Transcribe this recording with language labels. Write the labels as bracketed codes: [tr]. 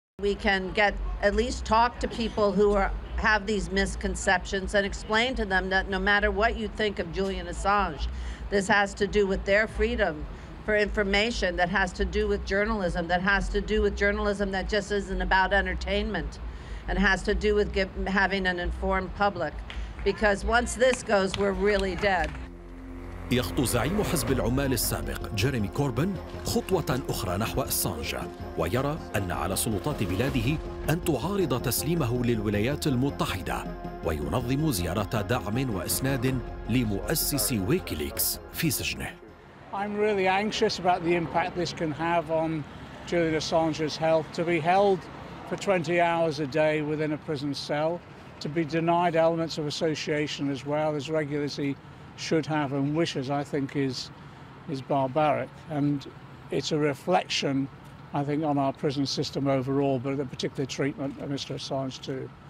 [en] We can get at least talk to people who have these misconceptions and explain to them that no matter what you think of Julian Assange, this has to do with their freedom for information, that has to do with journalism, that has to do with journalism that just isn't about entertainment, and has to do with having an informed public. Because once this goes, we're really dead. [ar] يخطو زعيم حزب العمال السابق جيريمي كوربن خطوة أخرى نحو أسانج، ويرى أن على سلطات بلاده أن تعارض تسليمه للولايات المتحدة، وينظم زيارة دعم وإسناد لمؤسس ويكيليكس في سجنه. [en] I'm really anxious about the impact this can have on Julian Assange's health. To be held for 20 hours a day within a prison cell, to be denied elements of association as well as regularly should have and wishes, I think is barbaric, and it's a reflection, I think, on our prison system overall, but the particular treatment of Mr. Assange too.